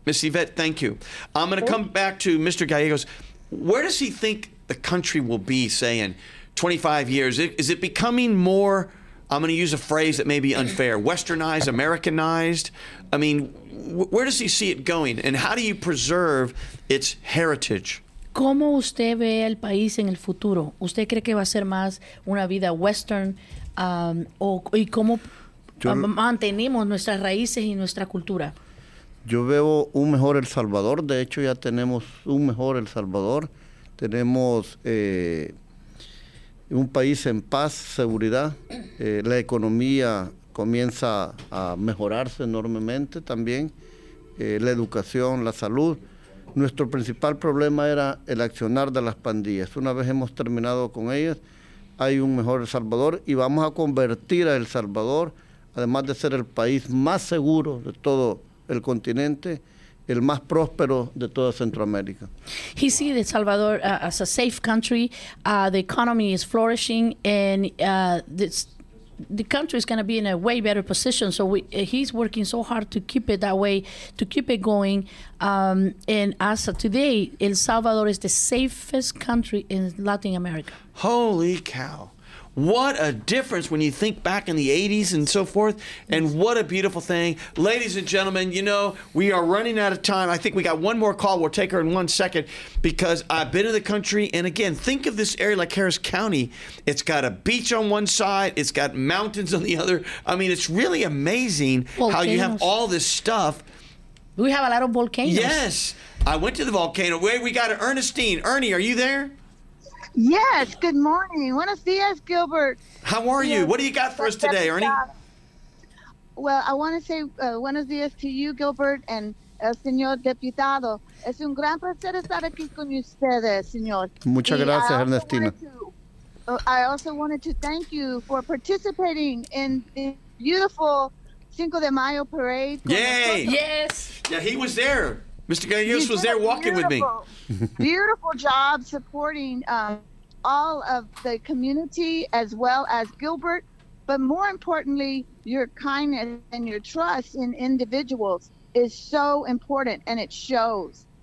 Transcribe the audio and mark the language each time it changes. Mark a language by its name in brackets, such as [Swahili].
[English] Miss Yvette, thank you. I'm going to come back to Mr. Gallegos. Where does he think the country will be, say, in 25 years? Is it becoming more, I'm going to use a phrase that may be unfair, westernized, Americanized? I mean, where does he see it going, and how do you preserve its heritage? [Spanish] ¿Cómo usted ve el país en el futuro? ¿Usted cree que va a ser más una vida western? ¿Y cómo mantenemos nuestras raíces y nuestra cultura? Yo veo un mejor El Salvador. De hecho, ya tenemos un mejor El Salvador. Tenemos un país en paz, seguridad. La economía comienza a mejorarse enormemente también. La educación, la salud. Nuestro principal problema era el accionar de las pandillas. Una vez hemos terminado con ellas, hay un mejor El Salvador, y vamos a convertir a El Salvador, además de ser el país más seguro de todo el continente, el más próspero de toda Centroamérica. [English] He sees El Salvador as a safe country. The economy is flourishing, and the country is going to be in a way better position. So he's working so hard to keep it that way, to keep it going. And as of today, El Salvador is the safest country in Latin America. Holy cow. What a difference when you think back in the 80s and so forth. And what a beautiful thing. Ladies and gentlemen, you know, we are running out of time. I think we got one more call. We'll take her in 1 second, because I've been in the country. And again, think of this area like Harris County. It's got a beach on one side. It's got mountains on the other. I mean, it's really amazing how you have all this stuff. We have a lot of volcanoes. Yes. I went to the volcano. Wait, we got Ernestine. Ernie, are you there? Yes, good morning. Buenos dias, Gilbert. How are you? What do you got for us today, Ernie? Well, I want to say buenos dias to you, Gilbert, and [Spanish] el señor diputado. Es un gran placer estar aquí con ustedes, señor. Muchas gracias, Ernestina. [English] I also wanted to thank you for participating in the beautiful Cinco de Mayo parade. Yay! Yes! Yeah, he was there. Mr. Gallegos was there walking with me. Beautiful job supporting all of the community as well as Gilbert, but more importantly, your kindness and your trust in individuals is so important, and it shows.